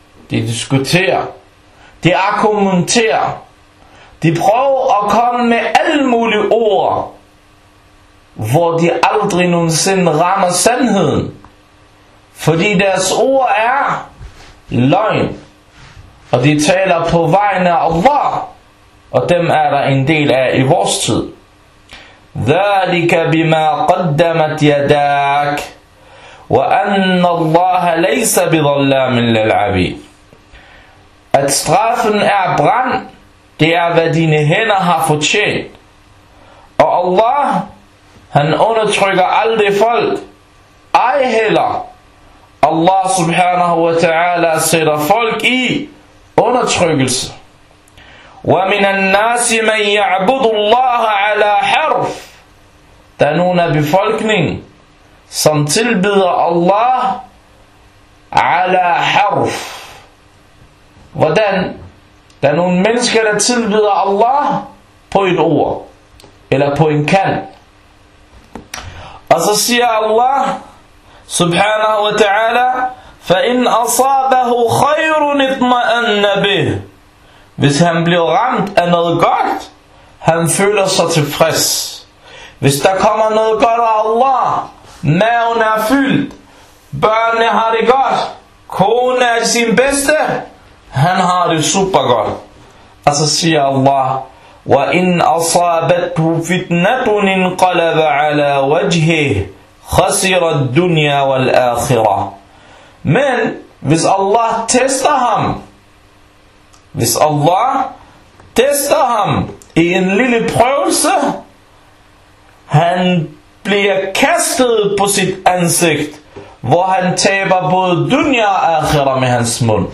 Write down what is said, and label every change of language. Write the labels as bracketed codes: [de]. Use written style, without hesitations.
[da] De diskuterer, de argumenterer, de prøver at komme med alle mulige ord, hvor de aldrig nogensinde rammer sandheden, fordi deres ord er løgn, og de taler på vegne af Allah, og dem er der en del af i vores tid. [ar] ذلك بما قدمت يداك وأن الله ليس بظلام للعبيد. [da] At straffen er brand, det er hvad dine hænder har fortjent. Og Allah, han undertrykker aldrig folk, ej heller Allah subhanahu wa ta'ala sætter folk i undertrykkelse. [ar] ومن الناس من يعبد الله على حرف. [da] Der er nogen af befolkningen, som tilbyder Allah ala harf. Hvordan? Der er nogen mennesker, der tilbyder Allah på et ord eller på en kant. Og så siger Allah, [ar] subhanahu wa ta'ala, فَإِنْ أَصَابَهُ خَيْرٌ اِطْمَأَنَّ بِهِ. [da] Hvis han bliver ramt af noget godt, han føler sig tilfreds. Hvis der kommer noget godt af Allah, maven er fyldt, børnene har det godt, kone er sin bedste, han har det super godt. Og så siger Allah, [ar] وَإِنْ أَصَابَتْهُ فِتْنَةٌ انْقَلَبَ عَلَى وَجْهِهِ خَسِرَ الدُّنْيَا وَالْآخِرَةِ. [da] Men hvis Allah tester ham, hvis Allah tester ham i en lille prøvelse, han bliver kastet på sit ansigt, hvor han taber både dunya og akhira med hans mund.